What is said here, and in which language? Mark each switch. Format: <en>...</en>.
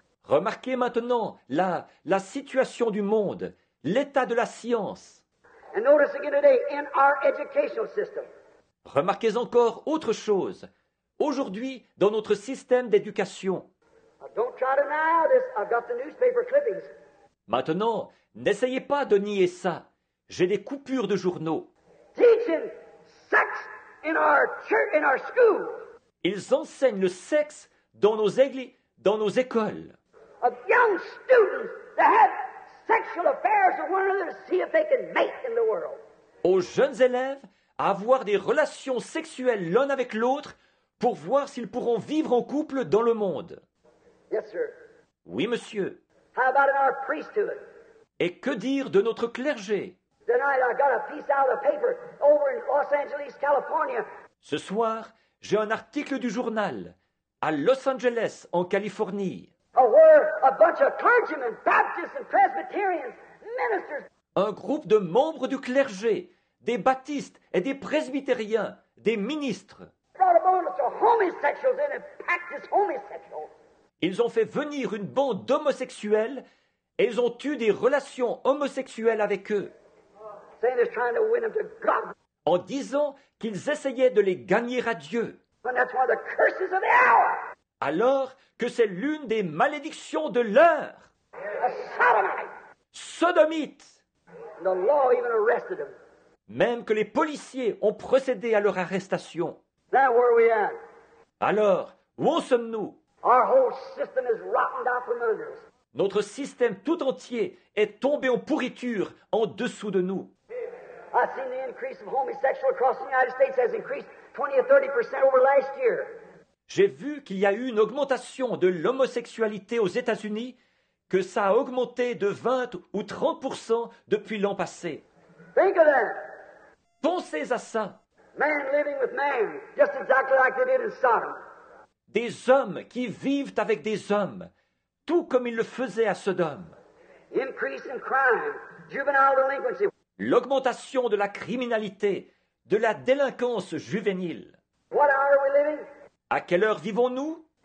<fr>Remarquez maintenant la situation du monde, l'état de la science.</fr> <en>And notice again today in our educational system.</en> <fr>Remarquez encore autre chose. Aujourd'hui, dans notre système d'éducation.</fr> <en>Don't try to deny this. I've got the newspaper clippings.</en> <fr>Maintenant, n'essayez pas de nier ça. J'ai des coupures de journaux.</fr> <en>Teaching sex in our church, in our school.</en> <fr>Ils enseignent le sexe dans nos églises, dans nos écoles.</fr> <en>Of young students that have sexual affairs with one another to see if they can mate in the world.</en> <fr>Aux jeunes élèves à avoir des relations sexuelles l'un avec l'autre pour voir s'ils pourront vivre en couple dans le monde.</fr> <en>Yes, sir.</en> <fr>Oui, monsieur.</fr> <en>How about in our priesthood?</en> <fr>Et que dire de notre clergé?</fr> <en>Tonight, I got a piece out of the paper over in Los Angeles, California.</en> <fr>Ce soir, j'ai un article du journal à Los Angeles, en Californie.</fr> <en>A bunch of clergymen, Baptists and Presbyterians, ministers.</en> <fr>Un groupe de membres du clergé, des baptistes et des presbytériens, des ministres.</fr> <en>Homosexuals in and practice homosexuals.</en> <fr>Ils ont fait venir une bande d'homosexuels et ils ont eu des relations homosexuelles avec eux.</fr> <en>Saying they're trying to win them to God.</en> <fr>En disant qu'ils essayaient de les gagner à Dieu.</fr> <en>And that's one of the curses of the hour.</en> <fr>Alors que c'est l'une des malédictions de l'heure.</fr> <en>A sodomite.</en> <fr>Sodomite.</fr> <en>And the law even arrested him.</en> <fr>Même que les policiers ont procédé à leur arrestation.</fr> <en>Now where are we at?</en> <fr>Alors, où en sommes-nous?</fr> <en>Our whole system is rotten out from under us.</en> <fr>Notre système tout entier est tombé en pourriture en dessous de nous.</fr> <en>I've seen the increase of homosexual across the United States has increased 20-30% over last year.</en> <fr>J'ai vu qu'il y a eu une augmentation de l'homosexualité aux États-Unis, que ça a augmenté de 20 ou 30% depuis l'an passé.</fr> <en>Think of that.</en> <fr>Pensez à ça.</fr> <en>Man living with man, just exactly like they did in Sodom.</en> <fr>Des hommes qui vivent avec des hommes, tout comme ils le faisaient à Sodome.</fr> <en>Increase in crime, juvenile delinquency.</en> <fr>L'augmentation de la criminalité, de la délinquance juvénile.</fr> <en>What hour are we living?</en> <fr>À quelle heure vivons-nous?</fr>